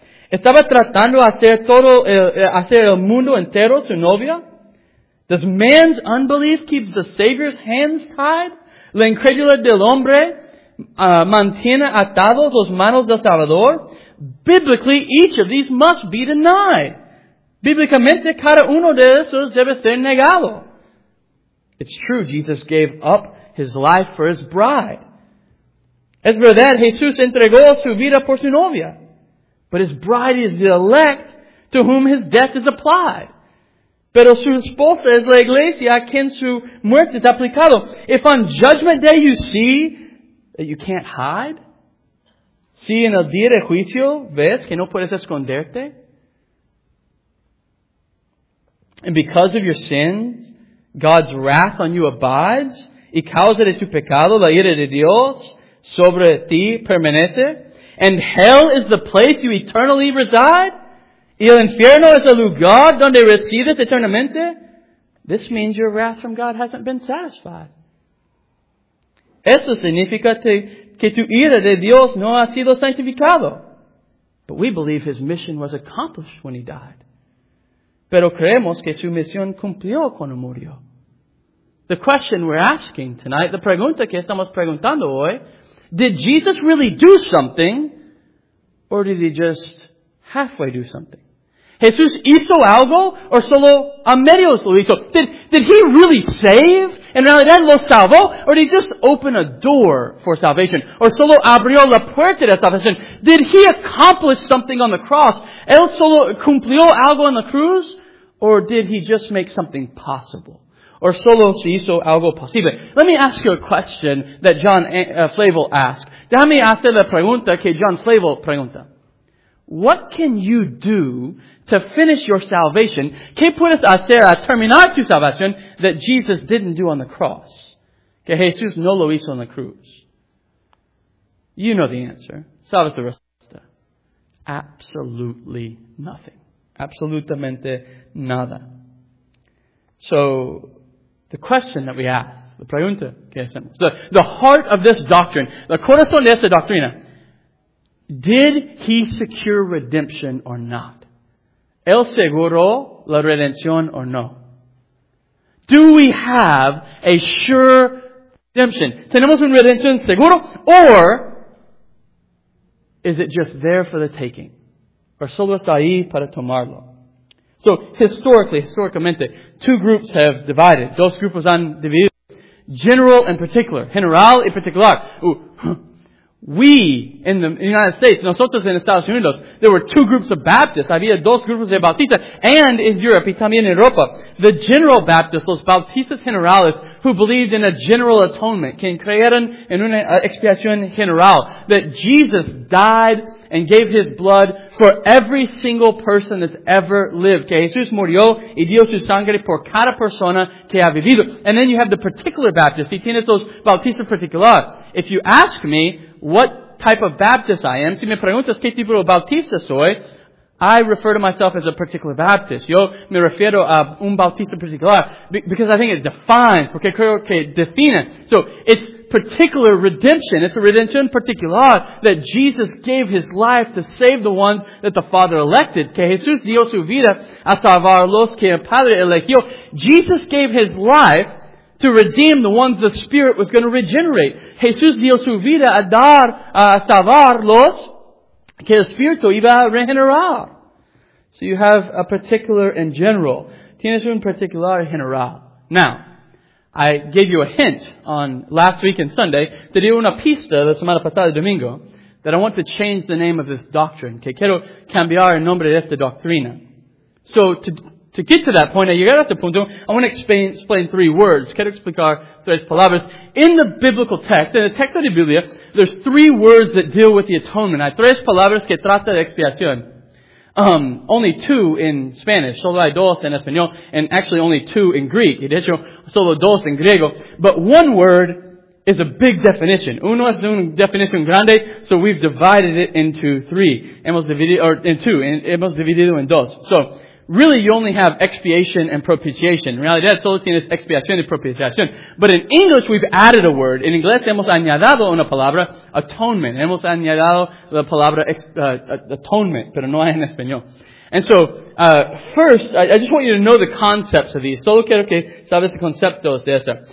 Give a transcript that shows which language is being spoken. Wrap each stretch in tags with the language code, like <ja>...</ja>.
<es>Estaba tratando hacer todo hacer el mundo entero su novia.</es> <en>Does man's unbelief keep the Savior's hands tied?</en> <es>La incredulidad del hombre mantiene atados los manos del Salvador.</es> <en>Biblically, each of these must be denied.</en> <es>Bíblicamente, cada uno de esos debe ser negado.</es> <en>It's true, Jesus gave up his life for his bride.</en> <es>Es verdad, Jesús entregó su vida por su novia.</es> <en>But his bride is the elect to whom his death is applied.</en> <es>Pero su esposa es la iglesia a quien su muerte es aplicado.</es> <en>If on judgment day you see that you can't hide,</en> <es>si en el día de juicio ves que no puedes esconderte,</es> <en>and because of your sins, God's wrath on you abides,</en> <es>y causa de tu pecado, la ira de Dios sobre ti permanece,</es> <en>and hell is the place you eternally reside,</en> <es>y el infierno es el lugar donde recibes eternamente,</es> <en>this means your wrath from God hasn't been satisfied.</en> <es>Eso significa que tu ira de Dios no ha sido santificado.</es> <en>But we believe his mission was accomplished when he died.</en> <es>Pero creemos que su misión cumplió cuando murió.</es> <en>The question we're asking tonight, the</en> <es>pregunta que estamos preguntando hoy,</es> <en>did Jesus really do something, or did he just halfway do something?</en> <es>¿Jesús hizo algo o solo a medias lo hizo?</es> <en>Did he really save?</en> <es>¿En realidad lo salvó?</es> <en>¿O did he just open a door for salvation?</en> <es>¿O solo abrió la puerta de salvación?</es> <en>¿Did he accomplish something on the cross?</en> <es>¿Él solo cumplió algo en la cruz?</es> <en>¿O did he just make something possible?</en> <es>¿O solo se hizo algo posible?</es> <en>Let me ask you a question that John Flavel asked.</en> <es>Déjame hacer la pregunta que John Flavel pregunta.</es> <en>What can you do to finish your salvation?</en> <es>¿Qué puedes hacer a terminar tu salvación</es> <en>that Jesus didn't do on the cross?</en> <es>Que Jesús no lo hizo en la cruz.</es> <en>You know the answer.</en> <es>¿Sabes la respuesta?</es> <en>Absolutely nothing.</en> <es>Absolutamente nada.</es> <en>So, the question that we ask, the</en> <es>pregunta que hacemos,</es> <en>the heart of this doctrine, the</en> <es>corazón de esta doctrina,</es> <en>did he secure redemption or not?</en> <es>¿Él aseguró la redención o no?</es> <en>Do we have a sure redemption?</en> <es>¿Tenemos una redención seguro?</es> <en>Or is it just there for the taking?</en> <es>¿O solo está ahí para tomarlo?</es> <en>So, historicamente, two groups have divided.</en> <es>Dos grupos han dividido.</es> <en>General and particular.</en> <es>General y particular.</es> <en>We, in the United States,</en> <es>nosotros en Estados Unidos,</es> <en>there were two groups of Baptists.</en> <es>Había dos grupos de Bautistas.</es> <en>And in Europe,</en> <es>y también en Europa,</es> <en>the general Baptists,</en> <es>los Bautistas Generales,</es> <en>who believed in a general atonement,</en> <es>que creyeron en una expiación general,</es> <en>that Jesus died and gave his blood for every single person that's ever lived.</en> <es>Que Jesús murió y dio su sangre por cada persona que ha vivido.</es> <en>And then you have the particular Baptists.</en> <es>Y tienes los Bautistas particular.</es> <en>If you ask me what type of Baptist I am,</en> <es>si me preguntas qué tipo de Bautista soy,</es> <en>I refer to myself as a particular Baptist.</en> <es>Yo me refiero a un Bautista particular</es> <en>because I think it defines,</en> <es>porque creo que define.</es> <en>So it's particular redemption. It's a redemption particular that Jesus gave his life to save the ones that the Father elected.</en> <es>Que Jesús dio su vida a salvar los que el Padre eligió.</es> <en>Jesus gave his life to redeem the ones the Spirit was going to regenerate.</en> <es>Jesús dio su vida a dar a salvar los que el Espíritu iba a regenerar.</es> <en>So you have a particular and general.</en> <es>Tienes un particular general.</es> <en>Now, I gave you a hint on last week and Sunday.</en> <es>Te di una pista la semana pasada, domingo,</es> <en>that I want to change the name of this doctrine.</en> <es>Que quiero cambiar el nombre de esta doctrina.</es> <en>So to get to that point,</en> <es>a llegar a este punto,</es> <en>I want to explain three words.</en> <es>Quiero explicar tres palabras.</es> <en>In the biblical text, in the text of the Biblia, there's three words that deal with the atonement.</en> <es>Hay tres palabras que trata de expiación.</es> <en>Only two in Spanish.</en> <es>Solo hay dos en español.</es> <en>And actually only two in Greek.</en> <es>Y de hecho, solo dos en griego.</es> <en>But one word is a big definition.</en> <es>Uno es una definición grande.</es> <en>So we've divided it into three.</en> <es>Hemos dividido,</es> <en>or in two.</en> <es>Hemos dividido en dos.</es> <en>So, really you only have expiation and propitiation.</en> <es>En realidad solo tienes expiación y propiciación.</es> <en>But in English we've added a word.</en> <es>En inglés hemos añadido una palabra, atonement. Hemos añadido la palabra atonement, pero no hay en español.</es> <en>And so, first, I just want you to know the concepts of these.</en> <es>Solo quiero que sabes los conceptos de eso.</es>